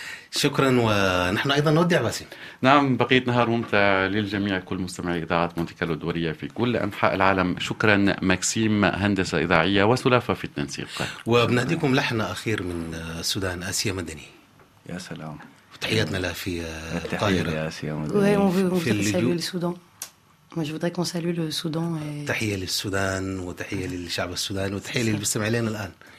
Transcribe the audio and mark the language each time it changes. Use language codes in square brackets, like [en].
[ar] شكرا ونحن ايضا نودع باسم. نعم بقيت نهار ممتع للجميع كل مستمعي اذاعه مونتي كارلو الدوليه في كل انحاء العالم. شكرا ماكسيم هندسه اذاعيه وسلافه في التنسيق. وبنهديكم لحن اخير من السودان اسيا مدني. يا سلام. تحياتنا لها في القاهرة. [fr] Oui, on veut saluer le Soudan. Moi, je voudrais qu'on salue le Soudan. [ar] تحية للسودان وتحية للشعب السوداني وتحية للمستمعين الآن.